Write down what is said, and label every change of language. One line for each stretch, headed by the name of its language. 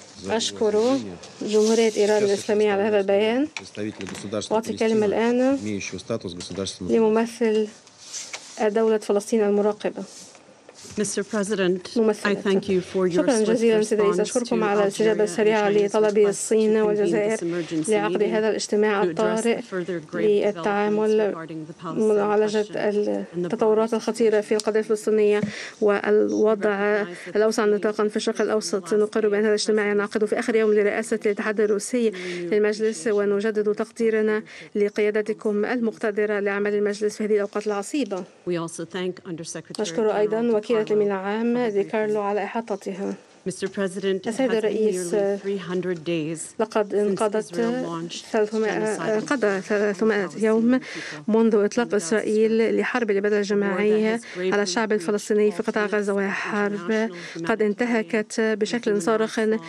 Arabic: أشكر جمهورية إيران الإسلامية على هذا البيان. أعطي كلمة الآن لممثل دولة فلسطين المراقبة.
English: Mr. President, I thank you for your swift response to Algeria's request to convene this emergency meeting to address further grave developments regarding the Palestinian situation and the situation in the Middle East. We recognize that this meeting will be held in the last day of the Russian presidency of the Council, and we renew our appreciation to your leadership for the Council in these difficult times. We also thank Undersecretary General Carlo.
Arabic: من العام ذكرلو على إحاطتها. السيد الرئيس، لقد انقضت 300 يوم منذ إطلاق إسرائيل لحرب الإبادة الجماعية على الشعب الفلسطيني في قطاع غزة، وحرب قد انتهكت بشكل صارخ